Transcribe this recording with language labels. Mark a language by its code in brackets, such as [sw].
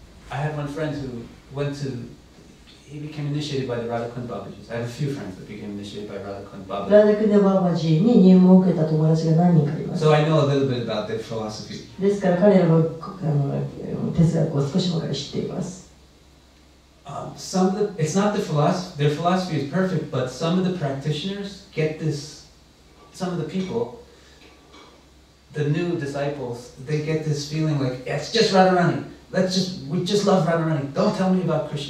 [en] I have one friend who went to, he became initiated by the Radhakund Babaji. I have a few friends that became initiated by Radhakund Babaji. [ja] Radhakund Babaji に入門を受けた友達が何人かいます。 [en] So I know a little bit about their philosophy. [ja] ですから彼らの哲学を少しばかり知っています。 [en] It's not the philosophy, their philosophy is perfect, but some of the practitioners get this, some of the people,the new disciples, they get this feeling like, yeah, it's just Radharani. Let's just, we just love Radharani. Don't tell me about Krishna.